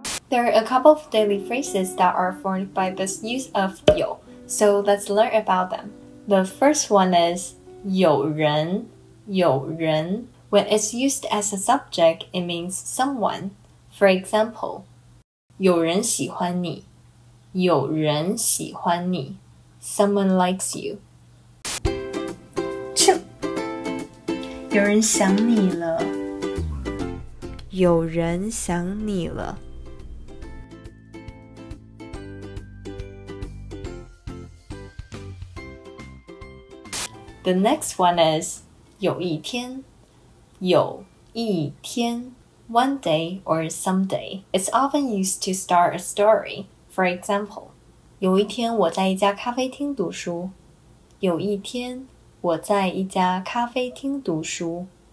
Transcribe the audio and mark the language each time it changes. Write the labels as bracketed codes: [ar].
[en] There are a couple of daily phrases that are formed by this use of 有, so let's learn about them. The first one is [zh] 有人有人 [en] When it's used as a subject, it means someone. For example, [zh] 有人喜欢你有人喜欢你 [en] Someone likes you. [zh] 啾有人想你了有人想你了 [en] The next one is [zh] 有一天有一天 [en] One day or someday. It's often used to start a story. For example, [zh] 有一天我在一家咖啡厅读书。有一天我在一家咖啡厅读书。